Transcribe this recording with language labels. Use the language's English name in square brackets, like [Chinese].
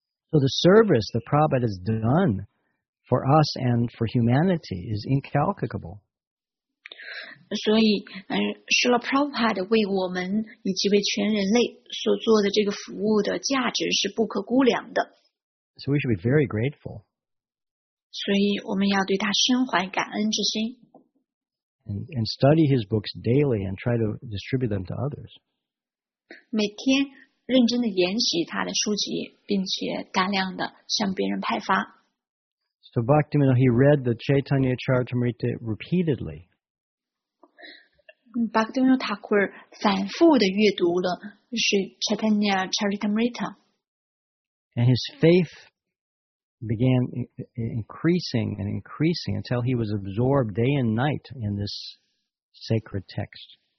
[English] So the service that Prabhupada has done for us and for humanity is incalculable. [Chinese] 所以，是了 Prabhupada 为我们以及为全人类所做的这个服务的价值是不可估量的。 [English] So we should be very grateful. [Chinese] 所以我们要对他深怀感恩之心。 [English] And study his books daily and try to distribute them to others. [Chinese] 每天认真的研习他的书籍，并且大量的向别人派发。 [English] So Bhaktivinoda, he read the Chaitanya Charitamrita repeatedly. [Chinese] Bhaktivinoda Thakur 反复地阅读了是 Chaitanya Charitamrita. [English] And his faith began increasing and increasing until he was absorbed day and night in this sacred text.